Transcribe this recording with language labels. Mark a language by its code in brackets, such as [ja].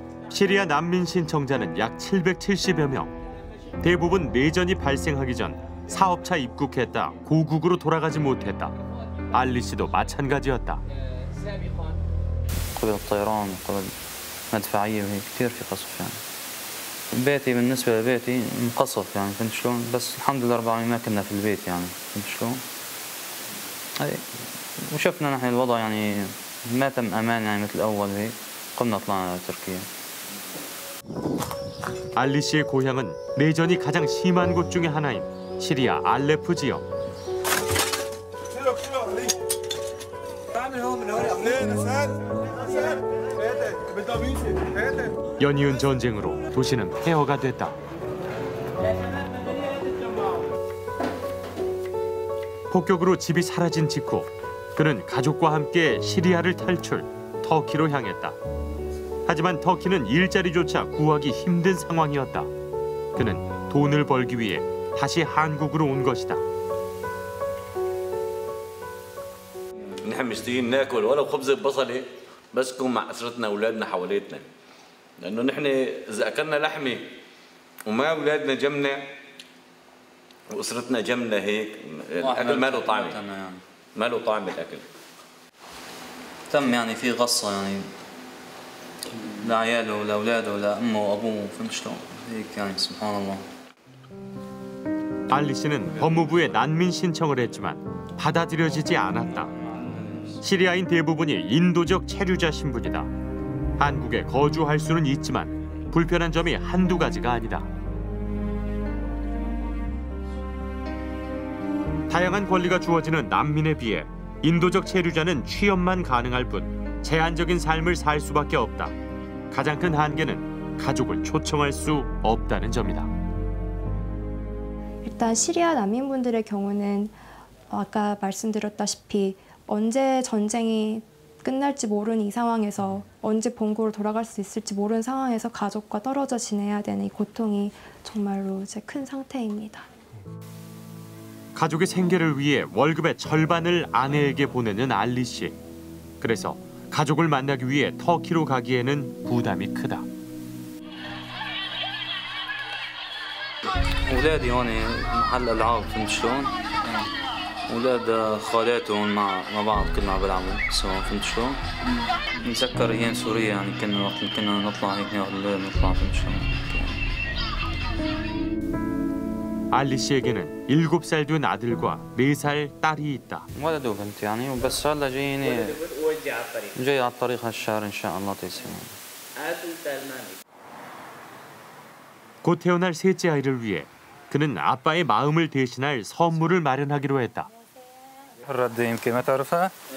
[ko] 시리아 난민 신청자는 약 770여 명. 대부분 내전이 발생하기 전 사업차 입국했다 고국으로 돌아가지 못했다. 알리 씨도 마찬가지였다. [ar] بيتي بالنسبة لبيتي مقصف يعني فهمت شلون بس الحمد لله رب العالمين ما كنا في البيت يعني فهمت شلون أي وشفنا نحن الوضع يعني ما تم أمان يعني مثل الأول هيك قمنا طلعنا على تركيا. [ko] 알리 씨의 고향은 내전이 가장 심한 곳 중에 하나인 시리아 알레프 지역. 연이은 전쟁으로 도시는 폐허가 됐다. 폭격으로 집이 사라진 직후 그는 가족과 함께 시리아를 탈출, 터키로 향했다. 하지만 터키는 일자리조차 구하기 힘든 상황이었다. 그는 돈을 벌기 위해 다시 한국으로 온 것이다. [ar] نحمستين ناكل ولا خبز بصلي بس كون مع أسرتنا أولادنا حوالينا لأنه نحن إذا أكلنا لحمة وما أولادنا جمنا وأسرتنا جمنا هيك الأكل ما له طعم ما له طعم الأكل تم يعني في غصة يعني لعياله ولأولاده ولأمه وأبوه فهمت شلون هيك يعني سبحان الله [ko] 알리 씨는 법무부에 난민 신청을 했지만 받아들여지지 않았다. 시리아인 대부분이 인도적 체류자 신분이다. 한국에 거주할 수는 있지만 불편한 점이 한두 가지가 아니다. 다양한 권리가 주어지는 난민에 비해 인도적 체류자는 취업만 가능할 뿐 제한적인 삶을 살 수밖에 없다. 가장 큰 한계는 가족을 초청할 수 없다는 점이다. 일단 시리아 난민분들의 경우는 아까 말씀드렸다시피 언제 전쟁이 끝날지 모르는 이 상황에서 언제 본국으로 돌아갈 수 있을지 모르는 상황에서 가족과 떨어져 지내야 되는 이 고통이 정말로 이제 큰 상태입니다. 가족의 생계를 위해 월급의 절반을 아내에게 보내는 알리 씨. 그래서 가족을 만나기 위해 터키로 가기에는 부담이 크다. 아들이 여기 [ar] محل العاب فنشون. أولاد خالاتهم مع بعض كل ما بلعبوا سوا فهمت شو؟ نتذكر أيام سورية يعني كنا وقت كنا نطلع هيك نقعد الليل نطلع فهمت شو؟ [ko] 알리 씨에게는 일곱 살 된 아들과 네 살 딸이 있다. [ar] ولده بنت يعني بس هلا جايني جاي على الطريق هالشهر إن شاء الله تيسير. [ko] 곧 태어날 셋째 아이를 위해 그는 아빠의 마음을 대신할 선물을 마련하기로 했다. 라드 임케 마타르파.